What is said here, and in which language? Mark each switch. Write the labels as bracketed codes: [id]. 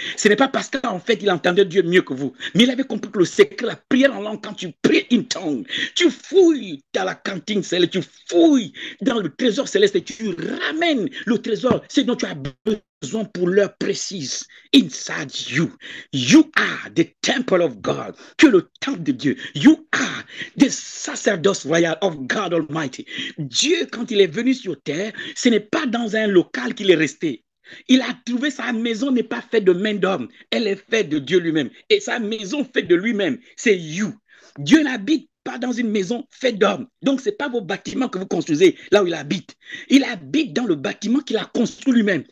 [fr] Ce n'est pas parce qu'en fait, il entendait Dieu mieux que vous. Mais il avait compris que le secret, la prière en langue, quand tu pries [en] in tongue, [fr] tu fouilles dans la cantine céleste, tu fouilles dans le trésor céleste et tu ramènes le trésor, ce dont tu as besoin pour l'heure précise. [en] Inside you. You are the temple of God. [fr] Tu es le temple de Dieu. [en] You are the [fr] sacerdoce royal [en] of God Almighty. [fr] Dieu, quand il est venu sur terre, ce n'est pas dans un local qu'il est resté. Il a trouvé sa maison n'est pas faite de main d'homme. Elle est faite de Dieu lui-même. Et sa maison faite de lui-même, c'est you. Dieu n'habite pas dans une maison faite d'homme. Donc, ce n'est pas vos bâtiments que vous construisez là où il habite. Il habite dans le bâtiment qu'il a construit lui-même.